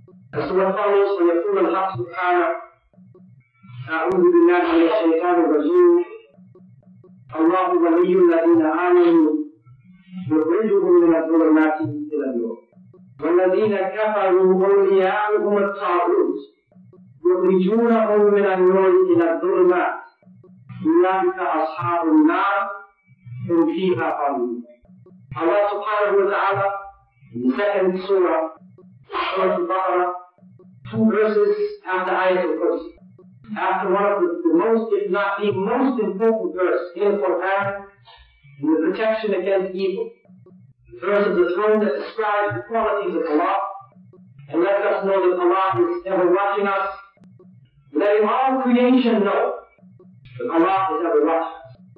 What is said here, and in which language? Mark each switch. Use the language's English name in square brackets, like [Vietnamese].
[English] As to what follows from the Qur'an of Allah subhanahu wa ta'ala, [Arabic] أعوذ بالله من الشيطان الرجيم. الله ولي الذين آمنوا يخرجهم من الظلمات إلى النور. والذين كفروا أولياؤهم الطاغوت يخرجونهم من النور إلى الظلمات. أولئك أصحاب النار هم فيها خالدون. الله سبحانه وتعالى في [English] second surah Surah Al-Baqarah, two verses after Ayat al-Kursi, after one of the most, if not the most important verse in the Quran, in the protection against evil, the verse of the throne that describes the qualities of Allah, and let us know that Allah is ever watching us, letting all creation know that Allah is ever watching us.